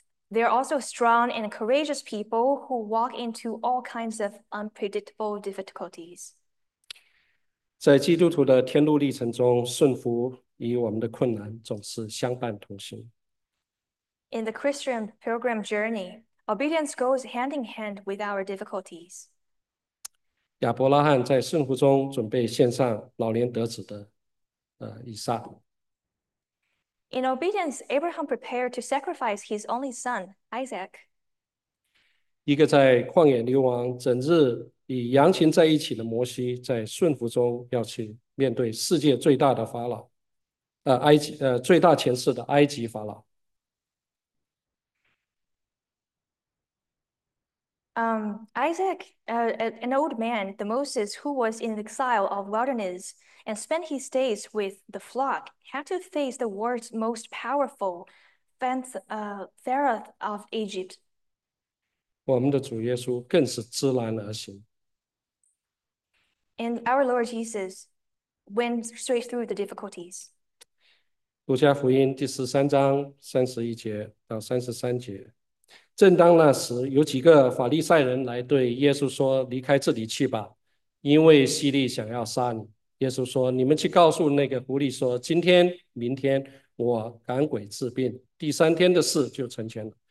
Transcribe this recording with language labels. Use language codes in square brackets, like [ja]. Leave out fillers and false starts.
[en] There are also strong and courageous people who walk into all kinds of unpredictable difficulties. [zh] 在基督徒的天路历程中，顺服与我们的困难总是相伴同行。 [en] In the Christian pilgrim journey, obedience goes hand in hand with our difficulties. [zh] 亚伯拉罕在顺服中准备献上老年得子的以撒。 [en] In obedience, Abraham prepared to sacrifice his only son, Isaac. [zh] 一个在旷野流亡、整日与羊群在一起的摩西，在顺服中要去面对世界最大的法老，埃及，最大权势的埃及法老。 [en] Isaac, an old man, the Moses who was in exile of wilderness and spent his days with the flock, had to face the world's most powerful pharaoh of Egypt. [zh] 我们的主耶稣更是知难而行。 [en] And our Lord Jesus went straight through the difficulties. [zh] 路加福音第十三章三十一节到三十三节，正当那时，有几个法利赛人来对耶稣说：“离开这里去吧，因为西律想要杀你。” 耶稣说：“你们去告诉那个狐狸说，今天、明天我赶鬼治病，第三天的事就成全了。